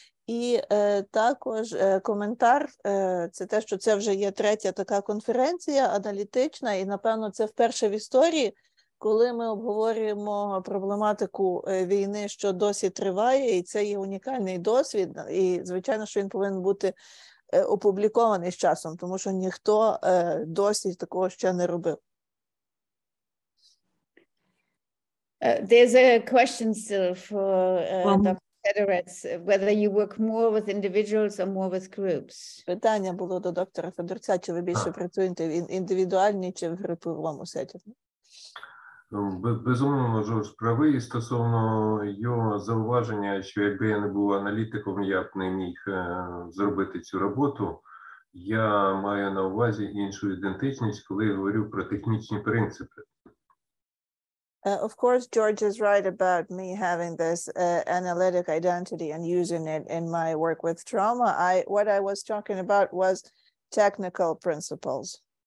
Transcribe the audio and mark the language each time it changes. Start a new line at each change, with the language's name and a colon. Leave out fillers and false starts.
Ukrainian: І також коментар – це те, що це вже є третя така конференція аналітична, і, напевно, це вперше в історії, коли ми обговорюємо проблематику війни, що досі триває, і це є унікальний досвід, і, звичайно, що він повинен бути опублікований з часом, тому що ніхто досі такого ще не робив.
English: There's a question still for whether you work more with individuals or more with groups.
Ukrainian: Питання було до доктора Федорця, чи ви більше працюєте індивідуальні чи в груповому сетті? Безумовно, Жорж правий. Стосовно його зауваження, що якби я не був аналітиком, я б не міг зробити цю роботу. Я маю на увазі іншу ідентичність, коли я говорю про технічні принципи.
English: Of course, George is right about me having this analytic identity and using it in my work with trauma. What I was talking about was technical principles.